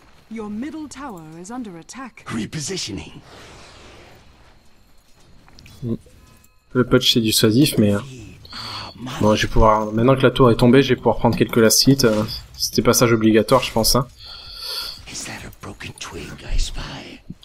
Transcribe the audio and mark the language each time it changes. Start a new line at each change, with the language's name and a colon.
English: Your middle tower is under attack. Repositioning.
French: Le punch c'est dissuasif, mais bon, je vais pouvoir. Maintenant que la tour est tombée, je vais pouvoir prendre quelques last hits. C'était passage obligatoire, je pense. Hein.
English: Is that a broken twig I spy?